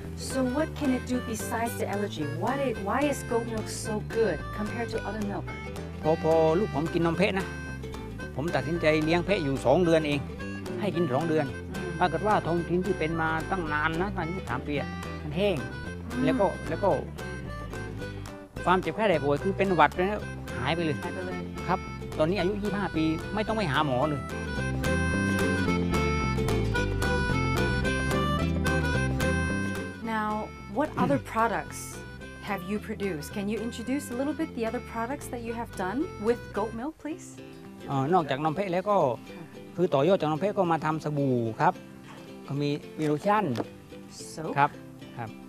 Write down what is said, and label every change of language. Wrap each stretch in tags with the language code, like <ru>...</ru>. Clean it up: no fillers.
<en>So what can it do besides the allergy? Why is goat milk so good compared to other milk?</en> <th>พอลูกผมกินนมแพะนะผมตัดสินใจเลี้ยงแพะอยู่2เดือนเองให้กิน2เดือนปรากฏว่าท้องถิ่นที่เป็นมาตั้งนานนะตอนนี้3ปีมันแห้งแล้วก็ความเจ็บแค่ไหนป่วยคือเป็นหวัดแล้วหายไปเลยครับตอนนี้อายุ25ปีไม่ต้องไปหาหมอเลย</th> <en>What other products have you produced? Can you introduce a little bit the other products that you have done with goat milk, please?</en> <th>นอกจากนมแพะแล้วก็คือต่อยอดจากนมแพะก็มาทำสบู่ครับก็มีโลชั่นครับครับ</th>